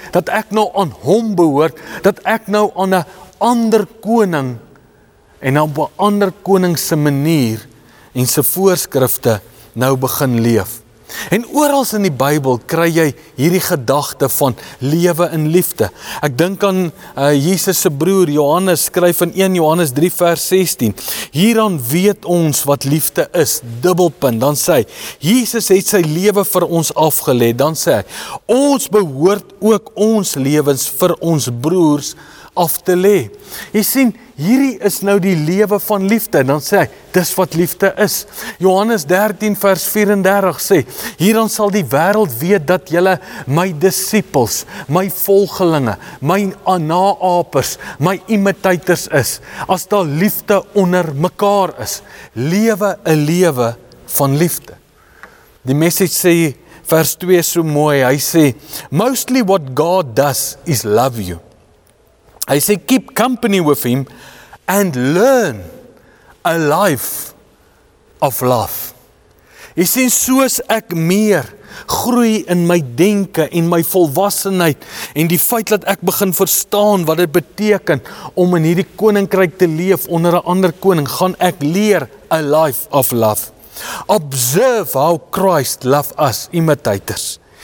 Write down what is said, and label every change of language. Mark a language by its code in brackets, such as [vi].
[af] Dat ek nou aan hom behoort, dat ek nou aan 'n ander koning en op 'n ander koning se manier en se voorskrifte nou begin leef. En oral in die Bybel kry jy hierdie gedagte van lewe in liefde. Ek dink aan Jesus se broer Johannes skryf in 1 Johannes 3 vers 16. Hieraan weet ons wat liefde is, dubbelpunt. Dan sê hy, Jesus het sy lewe vir ons afgelê. Dan sê hy, ons behoort ook ons lewens vir ons broers af te lê. Jy sien, hierdie is nou die lewe van liefde. Dan sê hy, dis wat liefde is. Johannes 13 vers 34 sê, hieraan sal die wêreld weet dat julle my disippels, my volgelinge, my naapers, my imitators is, as daar liefde onder mekaar is. Lewe 'n lewe van liefde. Die message sê vers 2 so mooi, hy sê, [en] mostly what God does is love you. [af] Hy sê, [en] keep company with him and learn a life of love. [af] Jy sien, soos ek meer groei in my denke en my volwassenheid en die feit dat ek begin verstaan wat dit beteken om in hierdie koninkryk te leef onder 'n ander koning, gaan ek leer [en] a life of love. Observe how Christ loved us, imitators.